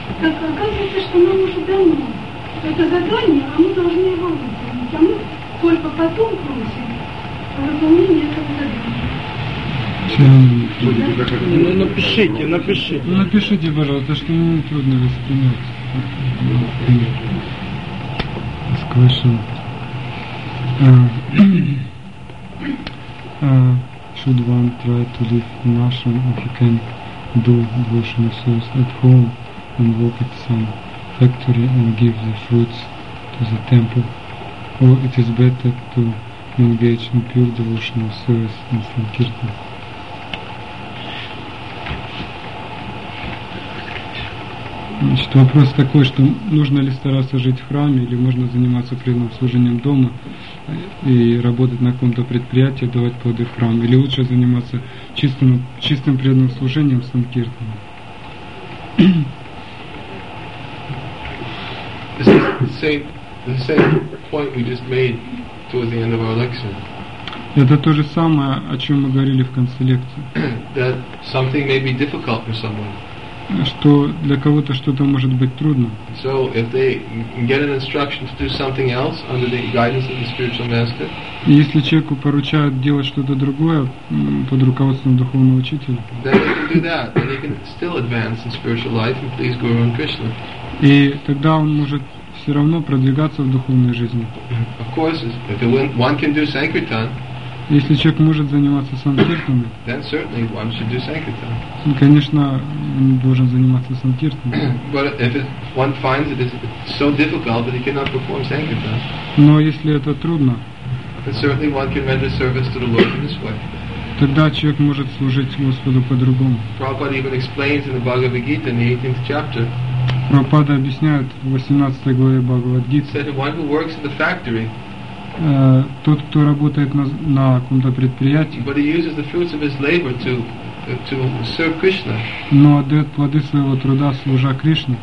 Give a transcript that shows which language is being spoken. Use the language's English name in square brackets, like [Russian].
[Russian] Так оказывается, что нам уже дано это задание, а мы должны его выполнить. А мы только потом просим по выполнению этого задания. Напишите. Напишите, пожалуйста, что мне трудно воспринять. [English] Сквешен. Should one try to live in ashram if you can do devotional service at home and work at some factory and give the fruits to the temple? Or it is better to engage in pure devotional service in Sankirtan? [Russian] Значит, вопрос такой, что нужно ли стараться жить в храме, или можно заниматься преданным служением дома и работать на каком-то предприятии, давать плоды в храм, или лучше заниматься чистым преданным служением в Санкиртане. [English] This is the same point we just made towards the end of our lecture. [Russian] Это то же самое, о чем мы говорили в конце лекции. [English] That something may be difficult for someone. [Russian] Что для кого-то что-то может быть трудно. [English] So if they get an instruction to do something else under the guidance of the spiritual master. [Russian] Если человеку поручают делать что-то другое под руководством духовного учителя. [English] Then they can do that, and they can still advance in spiritual life and please Guru and Krishna. [Russian] И тогда он может все равно продвигаться в духовной жизни. [English] Of course, if one can do sankirtan, [Russian] если человек может заниматься санкиртами, [English] then certainly one should do sankirtan. [Russian] Конечно, он должен заниматься санкиртами. [English] But if one finds it is so difficult that he cannot perform sankirtan, [Russian] но если это трудно, [English] then certainly one can render service to the Lord in this way. [Russian] Тогда человек может служить Господу по-другому. [English] Prabhupada even explains in the Bhagavad Gita in the 18th chapter. [Russian] Prabhupada объясняет в 18 главе Бхагавад Гиты. [English] Said one who works in the factory. [Russian] Тот, кто работает на каком-то предприятии. [English] But he uses the fruits of his labor to serve Krishna. [Russian] Но отдает плоды своего труда служа Кришне.